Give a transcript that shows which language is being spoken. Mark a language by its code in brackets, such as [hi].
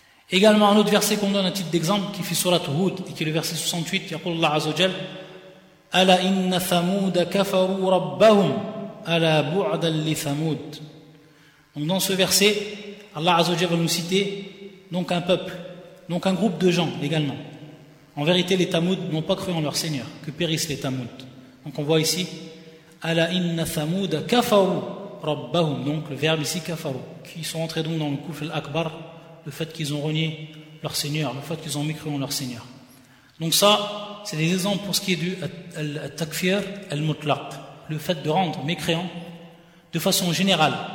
[fr] Également un autre verset qu'on donne à titre d'exemple qui fait surat Hud et qui est le verset 68, il y a pour Allah Azza wa Jal [ar] ألا إن ثمود كفروا ربهم ألا بعدا لثمود. [fr] Donc dans ce verset, Allah Azza wa Jalla va nous citer donc un peuple, donc un groupe de gens également. En vérité, les Thamoud n'ont pas cru en leur Seigneur, que périssent les Thamoud. Donc on voit ici [ar] ألا إن ثمود كفروا ربهم. [fr] Donc le verbe ici كفروا, qui sont entrés donc dans le kufr al-akbar, le fait qu'ils ont renié leur Seigneur, le fait qu'ils ont mécru en leur Seigneur. Donc ça, c'est des exemples pour ce qui est du takfir al-mutlaq, le fait de rendre mécréant de façon générale.